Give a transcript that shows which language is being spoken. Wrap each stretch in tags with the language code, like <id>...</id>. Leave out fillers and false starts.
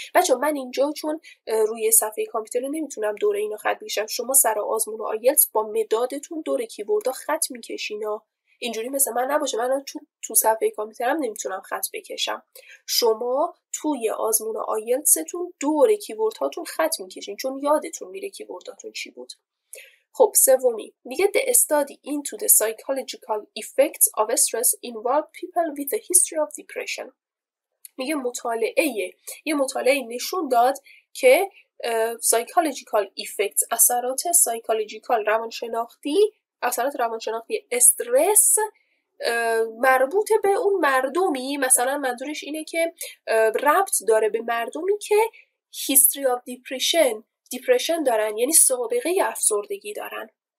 <fa>بچه من اینجا چون روی صفحه کامپیوتر نمیتونم دوره اینا خط بکشم، شما سر آزمون و آیلتس با مدادتون دوره کیوردها خط میکشینا، اینجوری مثل من نباشه، من چون تو صفحه کامپیوترم نمیتونم خط بکشم، شما توی آزمون و آیلتستون دوره کیوردهاتون خط میکشین، چون یادتون میره کیورداتون چی بود. خب سومی، میگه</fa> <en>the study into the psychological effects of stress involved people with a history of depression.</en> <fa>میگه مطالعه نشون داد که</fa> <en>psychological effects،</en> <fa>اثرات psychological، روانشناختی استرس مربوط به اون مردمی، مثلا منظورش اینه که ربط داره به مردمی که</fa> <en>history of depression،</en> <fa>دیپریشن دارن، یعنی سابقه افسردگی دارن.</fa>